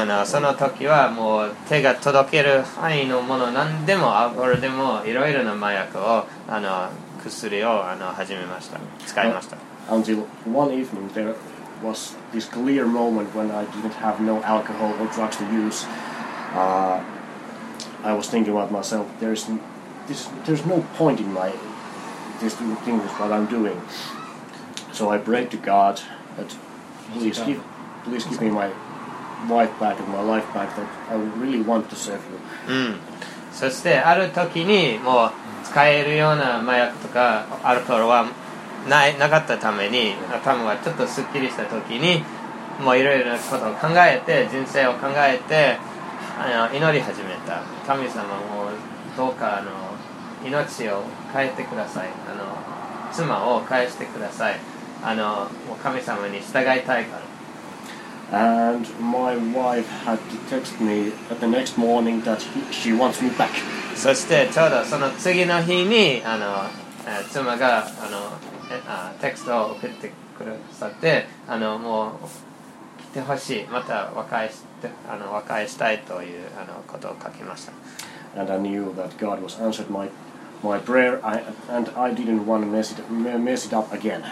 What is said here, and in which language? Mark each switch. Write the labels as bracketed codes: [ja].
[ja] その時はもう手が届ける範囲のもの何でもアルコールでもいろいろな麻薬を薬を始めました使いました。 [en] Until one evening there was this clear moment when I didn't have no alcohol or drugs to use. I was thinking about myself. There's no point in my this thing is what I'm doing. So I prayed to God that please give me my wife back and my life back that I really want to serve you. [ja] そしてある時にもう使えるような麻薬とかアルコールはなかったために頭がちょっとすっきりした時にもういろいろなことを考えて人生を考えて祈り始めた。神様もどうか命を変えてください、妻を返してください、もう神様に従いたいから。 [en] And my wife had to text me at the next morning that she wants me back. [ja] そしてちょうどその次の日に妻がテクストを送ってくださって、もう来てほしい、また和解したいということを書きました。 [en] And I knew that God was answered my prayer and I didn't want to mess it up again.